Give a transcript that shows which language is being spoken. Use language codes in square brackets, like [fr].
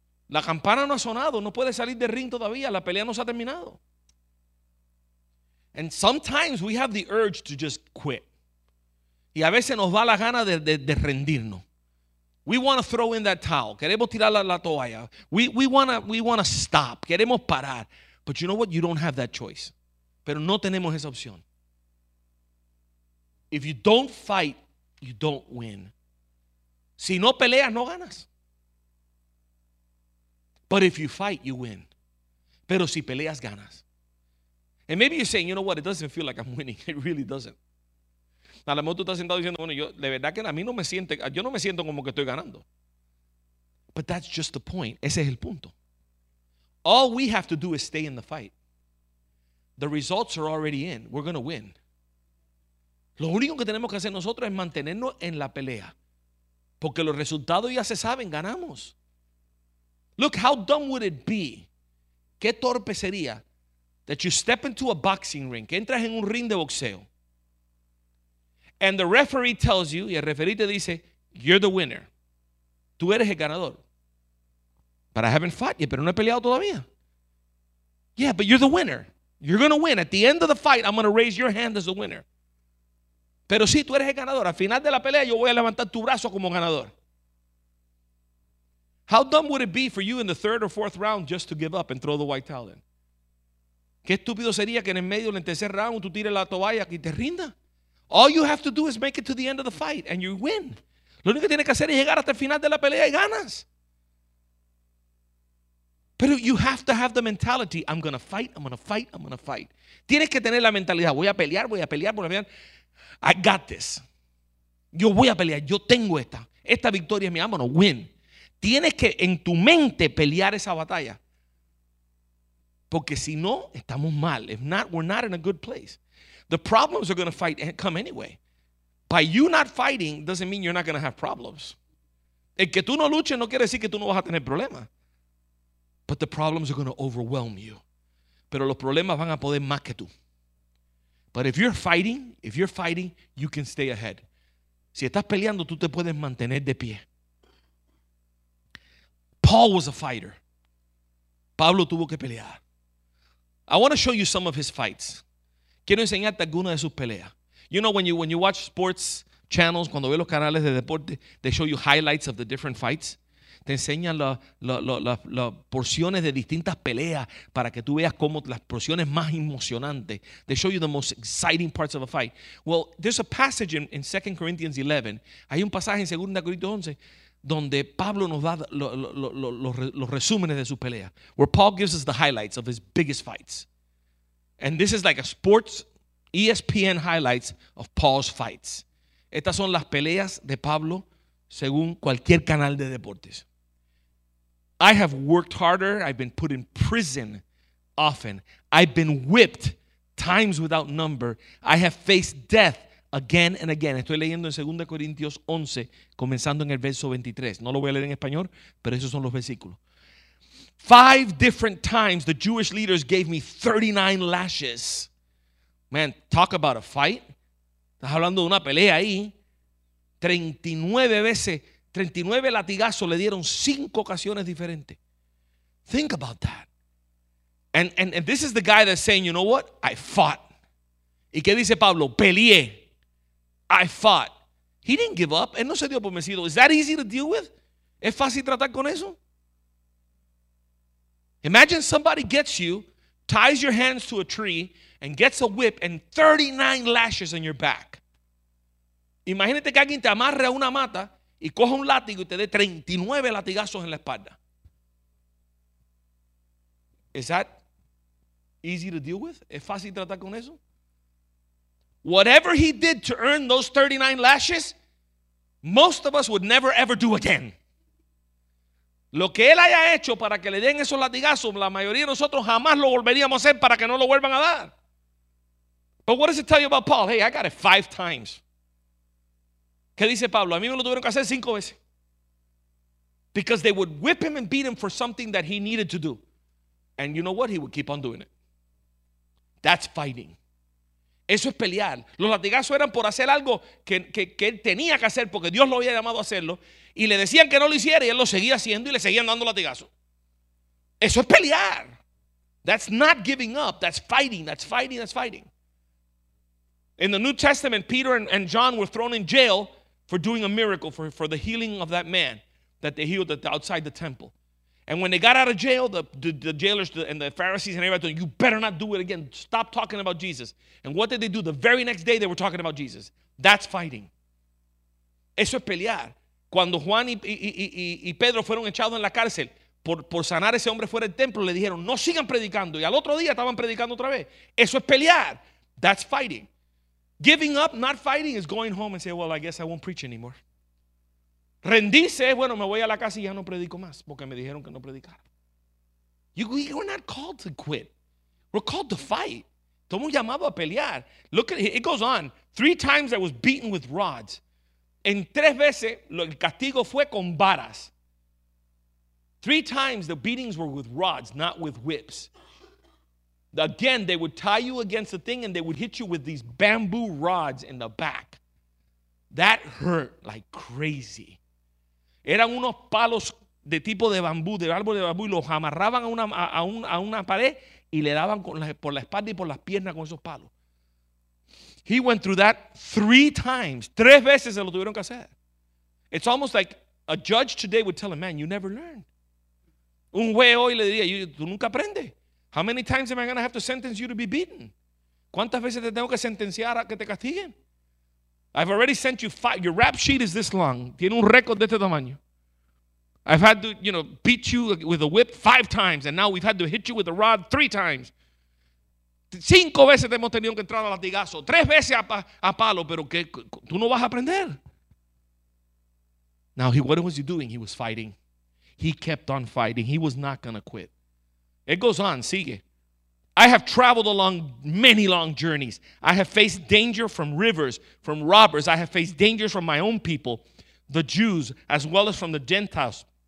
[es] La campana no ha sonado. No puedes salir del ring todavía. La pelea no se ha terminado. [en] And sometimes we have the urge to just quit. [es] Y a veces nos va la gana de rendirnos. [en] We want to throw in that towel. [es] Queremos tirar la toalla. [en] We want to stop. [es] Queremos parar. [en] But you know what? You don't have that choice. [es] Pero no tenemos esa opción. [en] If you don't fight, you don't win. [es] Si no peleas, no ganas. [en] But if you fight, you win. [es] Pero si peleas, ganas. [en] And maybe you're saying, you know what? It doesn't feel like I'm winning. It really doesn't. [es] A lo mejor tú estás sentado diciendo, bueno, yo de verdad que a mí no me siente, yo no me siento como que estoy ganando. [en] But that's just the point. [es] Ese es el punto. [en] All we have to do is stay in the fight. The results are already in. We're going to win. [es] Lo único que tenemos que hacer nosotros es mantenernos en la pelea. Porque los resultados ya se saben, ganamos. [en] Look, how dumb would it be? [es] Qué torpe sería [en] that you step into a boxing ring, [es] que entras en un ring de boxeo. [en] And the referee tells you, [es] y el referee te dice, [en] you're the winner. [es] Tú eres el ganador. [en] But I haven't fought yet, [es] pero no he peleado todavía. [en] Yeah, but you're the winner. You're going to win. At the end of the fight, I'm going to raise your hand as the winner. [es] Pero sí, tú eres el ganador. Al final de la pelea, yo voy a levantar tu brazo como ganador. [en] How dumb would it be for you in the third or fourth round just to give up and throw the white towel in? [es] ¿Qué estúpido sería que en el medio, en el tercer round, tú tires la toalla y te rinda? [en] All you have to do is make it to the end of the fight and you win. [es] Lo único que tienes que hacer es llegar hasta el final de la pelea y ganas. [en] But you have to have the mentality, I'm going to fight, I'm going to fight, I'm going to fight. [es] Tienes que tener la mentalidad, voy a pelear, voy a pelear, voy a pelear. [en] I got this. [es] Yo voy a pelear, yo tengo esta. Esta victoria es mía, [en] I'm going to win. [es] Tienes que en tu mente pelear esa batalla. Porque si no, estamos mal. [en] If not, we're not in a good place. The problems are going to fight and come anyway. By you not fighting doesn't mean you're not going to have problems. [es] El que tú no luches no quiere decir que tú no vas a tener problemas. [en] But the problems are going to overwhelm you. [es] Pero los problemas van a poder más que tú. [en] But if you're fighting, you can stay ahead. [es] Si estás peleando, tú te puedes mantener de pie. [en] Paul was a fighter. [es] Pablo tuvo que pelear. [en] I want to show you some of his fights. [es] Quiero enseñarte alguna de sus peleas. [en] You know, when you watch sports channels, [es] cuando ves los canales de deporte, [en] they show you highlights of the different fights. [es] Te enseñan las porciones de distintas peleas para que tú veas como las porciones más emocionantes. [en] They show you the most exciting parts of a fight. Well, there's a passage in 2 Corinthians 11. [es] Hay un pasaje en 2 Corintios 11 donde Pablo nos da los resúmenes de sus peleas. [en] Where Paul gives us the highlights of his biggest fights. And this is like a sports ESPN highlights of Paul's fights. [es] Estas son las peleas de Pablo según cualquier canal de deportes. [en] I have worked harder. I've been put in prison often. I've been whipped times without number. I have faced death again and again. [es] Estoy leyendo en 2 Corintios 11, comenzando en el verso 23. No lo voy a leer en español, pero esos son los versículos. [en] 5 different times the Jewish leaders gave me 39 lashes. Man, talk about a fight. [es] Estás hablando de una pelea ahí. 39 veces, 39 latigazos le dieron 5 ocasiones diferentes. [en] Think about that. And this is the guy that's saying, you know what? I fought. [es] ¿Y qué dice Pablo? Peleé. [en] I fought. He didn't give up. [es] Él no se dio por vencido. [en] Is that easy to deal with? [es] ¿Es fácil tratar con eso? [en] Imagine somebody gets you, ties your hands to a tree, and gets a whip and 39 lashes on your back. [es] Imagínate que alguien te amarre a una mata y coja un látigo y te dé 39 latigazos en la espalda. [en] Is that easy to deal with? [es] ¿Es fácil tratar con eso? [en] Whatever he did to earn those 39 lashes, most of us would never ever do again. [es] Lo que él haya hecho para que le den esos latigazos, la mayoría de nosotros jamás lo volveríamos a hacer para que no lo vuelvan a dar. [en] But what does it tell you about Paul? Hey, I got it 5 times. [es] ¿Qué dice Pablo? A mí me lo tuvieron que hacer 5 veces. [en] Because they would whip him and beat him for something that he needed to do. And you know what? He would keep on doing it. That's fighting. [es] Eso es pelear. Los latigazos eran por hacer algo que él tenía que hacer porque Dios lo había llamado a hacerlo. Y le decían que no lo hiciera y él lo seguía haciendo y le seguían dando latigazos. Eso es pelear. [en] That's not giving up. That's fighting. That's fighting. That's fighting. In the New Testament, Peter and John were thrown in jail for doing a miracle, for the healing of that man that they healed at the, outside the temple. And when they got out of jail, the jailers and the Pharisees and everybody told them, you better not do it again. Stop talking about Jesus. And what did they do? The very next day, they were talking about Jesus. That's fighting. [es] Eso es pelear. Cuando Juan y Pedro fueron echados en la cárcel por sanar ese hombre fuera del templo, le dijeron, no sigan predicando. Y al otro día estaban predicando otra vez. Eso es pelear. [en] That's fighting. Giving up, not fighting, is going home and say, well, I guess I won't preach anymore. [es] Rendirse, bueno, me voy a la casa y ya no predico más porque me dijeron que no predicara. [en] We're not called to quit. We're called to fight. [es] Tomo un llamado a pelear. [en] Look at it. It goes on. 3 times I was beaten with rods. [es] En 3 veces, el castigo fue con varas. [en] 3 times the beatings were with rods, not with whips. Again, they would tie you against the thing and they would hit you with these bamboo rods in the back. That hurt like crazy. [es] Eran unos palos de tipo de bambú, de árbol de bambú, y los amarraban a una pared y le daban por la espalda y por las piernas con esos palos. [en] He went through that 3 times. [es] 3 veces se lo tuvieron que hacer. [en] It's almost like A judge today would tell him, man, you never learned. [es] Un juez hoy le diría, tú nunca aprendes. [en] How many times am I going to have to sentence you to be beaten? [es] ¿Cuántas veces te tengo que sentenciar a que te castiguen? [en] I've already sent you five. Your rap sheet is this long. [es] Tiene un récord de este tamaño. [en] I've had to, you know, beat you with a whip 5 times, and now we've had to hit you with a rod 3 times. [es] 5 veces te hemos tenido que entrar a latigazo. 3 veces a palo, pero que tú no vas a aprender. [en] Now, what was he doing? He was fighting. He kept on fighting. He was not going to quit. It goes on, sigue. I have traveled along many long journeys. I have faced danger from rivers, from robbers. I have faced dangers from my own people, the Jews, as well as from the Gentiles.